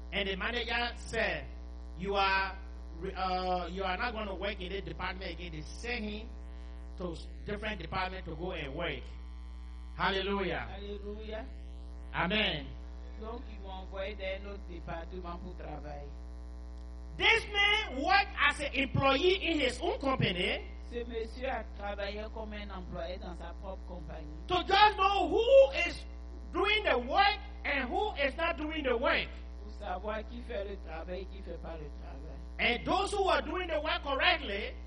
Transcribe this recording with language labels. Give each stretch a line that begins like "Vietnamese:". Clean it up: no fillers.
English: And the manager said, you are not going to work in this department again. They sent him to different department to go and work. Hallelujah.
French: Hallelujah.
English: Amen.
French: Donc, ils m'ont envoyé dans un autre département pour travailler.
English: This man worked as an employee in his own company.
French: Ce monsieur a travaillé comme un employé dans sa propre compagnie.
English: To just know who is doing the work and who is not doing the work.
French: Pour savoir qui fait le travail et qui fait pas le travail.
English: And those who are doing the work correctly,